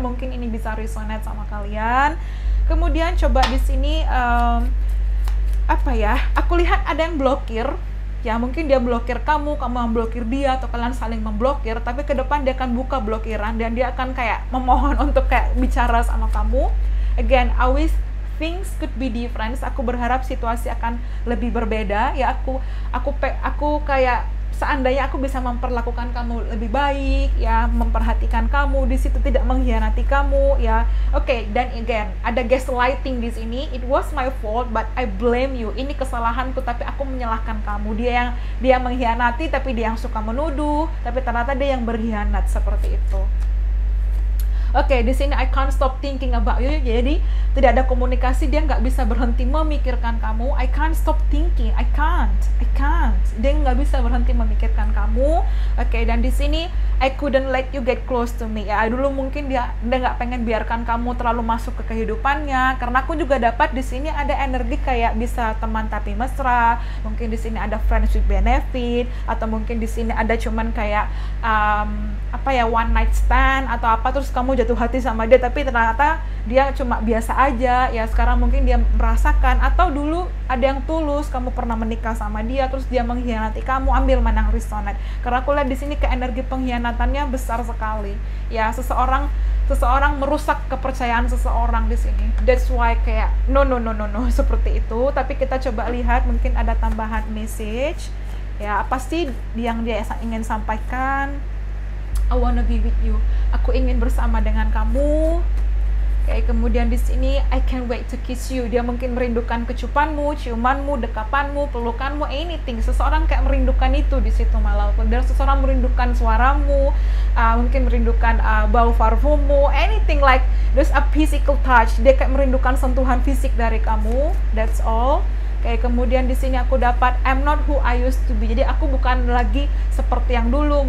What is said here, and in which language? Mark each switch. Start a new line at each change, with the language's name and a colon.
Indonesian: Mungkin ini bisa resonate sama kalian. Kemudian coba di sini apa ya? Aku lihat ada yang blokir. Ya, mungkin dia blokir kamu, kamu memblokir dia, atau kalian saling memblokir, tapi ke depan dia akan buka blokiran dan dia akan kayak memohon untuk kayak bicara sama kamu.
English: Again, I wish things could be different.
Indonesian: Aku berharap situasi akan lebih berbeda. Ya, aku kayak seandainya aku bisa memperlakukan kamu lebih baik, ya, memperhatikan kamu di situ, tidak mengkhianati kamu, ya. Oke, okay, dan again, ada gaslighting di sini.
English: It was my fault, but I blame you.
Indonesian: Ini kesalahanku, tapi aku menyalahkan kamu. Dia mengkhianati, tapi dia yang suka menuduh, tapi ternyata dia yang berkhianat, seperti itu.
English: Oke, okay,
Indonesian: di sini
English: I can't stop thinking about you.
Indonesian: Jadi tidak ada komunikasi, dia nggak bisa berhenti memikirkan kamu.
English: I can't stop thinking. I can't.
Indonesian: Dia nggak bisa berhenti memikirkan kamu. Oke, okay, dan di sini
English: I couldn't let you get close to me.
Indonesian: Ya, dulu mungkin dia nggak pengen biarkan kamu terlalu masuk ke kehidupannya. Karena aku juga dapat di sini ada energi kayak bisa teman tapi mesra. Mungkin di sini ada friendship benefit, atau mungkin di sini ada cuman kayak apa ya, one night stand atau apa, terus kamu jatuh hati sama dia, tapi ternyata dia cuma biasa aja. Ya, sekarang mungkin dia merasakan, atau dulu ada yang tulus, kamu pernah menikah sama dia, terus dia mengkhianati kamu. Ambil mana yang resonate, karena aku lihat di sini ke energi pengkhianatannya besar sekali. Ya, seseorang merusak kepercayaan seseorang di sini.
English: That's why
Indonesian: kayak no, seperti itu. Tapi kita coba lihat, mungkin ada tambahan message. Ya, apa sih yang dia ingin sampaikan?
English: I wanna be with you.
Indonesian: Aku ingin bersama dengan kamu. Okay, kemudian di sini
English: I can't wait to kiss you.
Indonesian: Dia mungkin merindukan kecupanmu, ciumanmu, dekapanmu, pelukanmu, anything. Seseorang kayak merindukan itu di situ malah. Dan seseorang merindukan suaramu, mungkin merindukan bau parfummu,
English: anything like there's a physical touch.
Indonesian: Dia kayak merindukan sentuhan fisik dari kamu.
English: That's all.
Indonesian: Kayak kemudian di sini aku dapat
English: I'm not who I used to be.
Indonesian: Jadi aku bukan lagi seperti yang dulu.